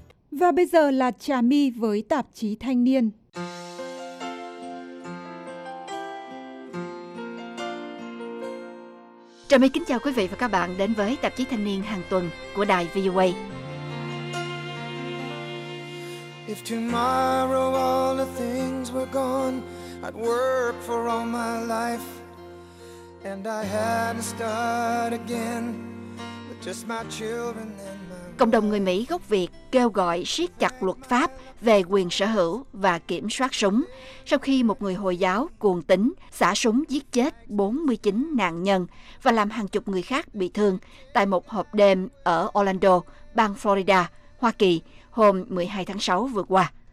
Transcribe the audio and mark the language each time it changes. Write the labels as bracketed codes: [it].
[vi] Và bây giờ là Trà My với tạp chí Thanh Niên. Trà My kính chào quý vị và các bạn đến với tạp chí Thanh Niên hàng tuần của đài VOA. [en] If tomorrow all the things were gone, I'd work for all my life and I had to start again with just my children. [vi] Cộng đồng người Mỹ gốc Việt kêu gọi siết chặt luật pháp về quyền sở hữu và kiểm soát súng sau khi một người Hồi giáo cuồng tín xả súng giết chết 49 nạn nhân và làm hàng chục người khác bị thương tại một hộp đêm ở Orlando, bang Florida, Hoa Kỳ hôm 12 tháng 6 vừa qua.